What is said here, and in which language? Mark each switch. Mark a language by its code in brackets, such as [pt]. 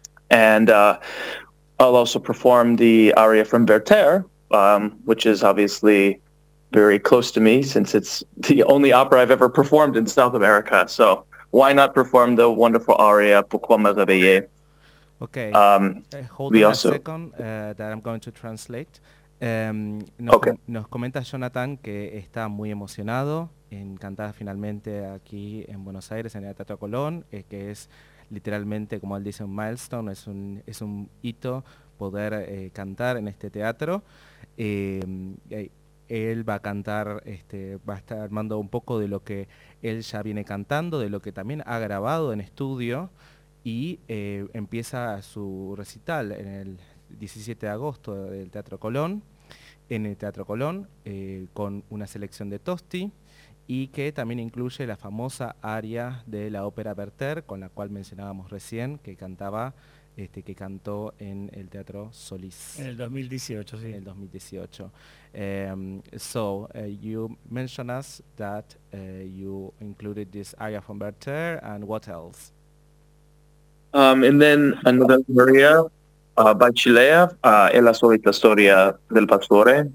[en] And I'll also perform the aria from Werther, which is obviously very close to me since it's the only opera I've ever performed in South America. So why not perform the wonderful aria Pourquoi me réveiller? Okay. Hold on a second, that I'm going to translate. [es] Nos comenta Jonathan que está muy emocionado en cantar finalmente aquí en Buenos Aires, en el Teatro Colón, que es literalmente, como él dice, un milestone, es un hito poder cantar en este teatro. Él va a cantar, va a estar armando un poco de lo que él ya viene cantando, de lo que también ha grabado en estudio, y empieza su recital en el 17 de agosto del Teatro Colón, en el Teatro Colón, con una selección de Tosti, y que también incluye la famosa aria de la ópera Werther, con la cual mencionábamos recién, que cantaba, que cantó en el Teatro Solís. En el 2018, sí. En el 2018. [en] So, you mentioned us that you included this aria from Werther, and what else? And then another aria by Chilea, E la solita storia del pastore.